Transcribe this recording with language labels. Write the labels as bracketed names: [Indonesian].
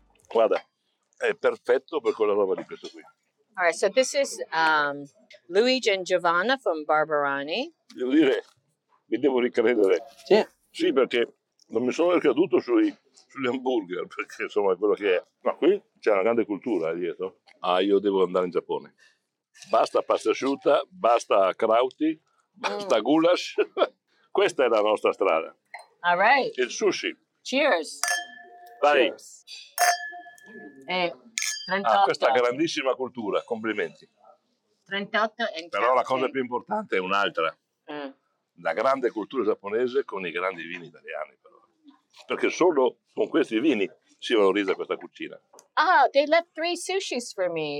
[Italian] Guarda, è perfetto per quella roba di questo qui. [English] All right, so this is Luigi and Giovanna from Barberani. [Italian] Devo dire... Mi devo ricredere. Sì. Sì, perché non mi sono ricaduto sugli hamburger, perché insomma è quello che è. Ma qui c'è una grande cultura dietro. Ah, io devo andare in Giappone. Basta pasta asciutta, basta krauti, basta goulash. Questa è la nostra strada. [English] All right. [Italian] Il sushi. [English] Cheers. [Italian] Vai. [English] Cheers. Ah, [Italian] questa grandissima cultura, complimenti. 38 e 30. Però la cosa più importante è un'altra. la grande cultura giapponese con i grandi vini italiani, però. Perché solo con questi vini si valorizza questa cucina. [English] Ah, oh, they left three sushis for me.